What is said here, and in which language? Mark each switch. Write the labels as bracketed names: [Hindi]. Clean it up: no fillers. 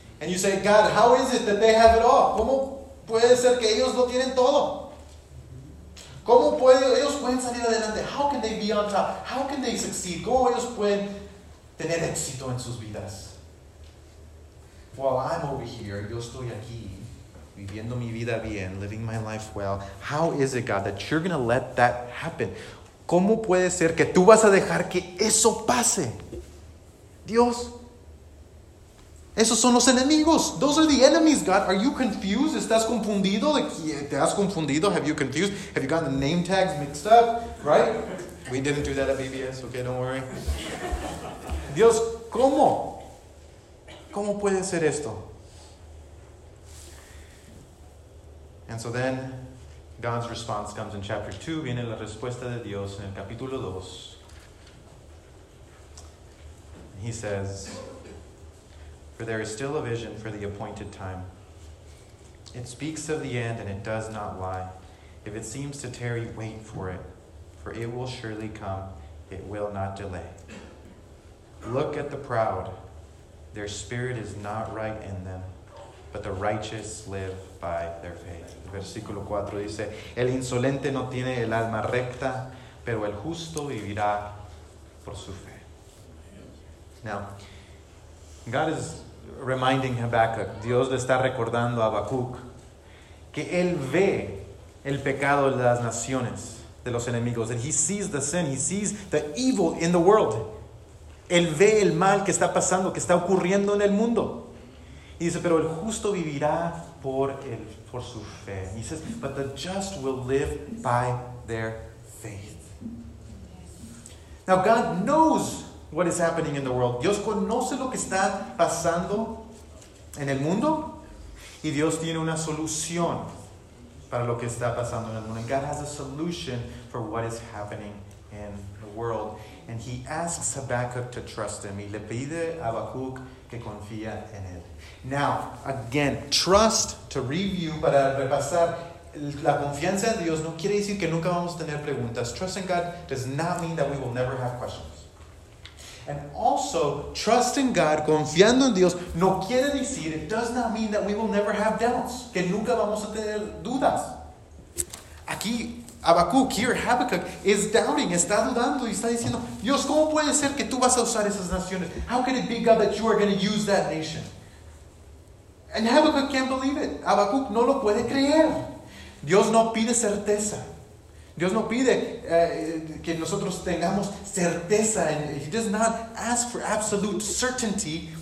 [English] And you say, God, how is it that they have it all? [Spanish] ¿Cómo puede ser que ellos lo tienen todo? ¿Cómo ellos pueden salir adelante? [English] How can they be on top? How can they succeed? [Spanish] ¿Cómo ellos pueden tener éxito en sus vidas? [English] Well, I'm over here. [Spanish] Yo estoy aquí viviendo mi vida bien, [English] living my life well. How is it, God, that you're going to let that happen? [Spanish] ¿Cómo puede ser que tú vas a dejar que eso pase? Dios. Esos son los enemigos. [English] Those are the enemies, God. Are you confused? [Spanish] ¿Estás confundido? ¿Te has confundido? [English] Have you confused? Have you gotten the name tags mixed up? Right? We didn't do that at BBS. Okay, don't worry. [Spanish] Dios, ¿cómo? ¿Cómo puede ser esto? [English] And so then, God's response comes in chapter 2. [Spanish] Viene la respuesta de Dios en el capítulo 2. [English] He says, for there is still a vision for the appointed time. It speaks of the end and it does not lie. If it seems to tarry, wait for it. For it will surely come. It will not delay. Look at the proud, Their spirit is not right in them, but the righteous live by their faith. [Spanish] Versículo 4 dice, el insolente no tiene el alma recta, pero el justo vivirá por su fe. [English] Now, God is reminding Habakkuk, [Spanish] Dios le está recordando a Habacuc, que él ve el pecado de las naciones, de los enemigos. [English] That he sees the sin, he sees the evil in the world. [Spanish] Él ve el mal que está pasando, que está ocurriendo en el mundo. Y dice, pero el justo vivirá por su fe. [English] He says, but the just will live by their faith. Now God knows what is happening in the world. [Spanish] Dios conoce lo que está pasando en el mundo. Y Dios tiene una solución para lo que está pasando en el mundo. [English] And God has a solution for what is happening in the world. And he asks Habakkuk to trust him. [Spanish] Y le pide a Habacuc que confía en él. [English] Now, again, trust, to review, [Spanish] para repasar, la confianza en Dios no quiere decir que nunca vamos a tener preguntas. [English] Trust in God does not mean that we will never have questions. And also, trust in God, [Spanish] confiando en Dios, no quiere decir, [English] it does not mean that we will never have doubts, [Spanish] que nunca vamos a tener dudas. Aquí, Habacuc, [English] here, Habakkuk, [Spanish] is doubting, está dudando, y está diciendo, Dios, ¿cómo puede ser que tú vas a usar esas naciones? [English] How can it be, God, that you are going to use that nation? And Habakkuk can't believe it. [Spanish] Habakkuk no lo puede creer. Dios no pide certeza. Dios no pide que nosotros tengamos certeza. [English] And he does not ask for absolute certainty.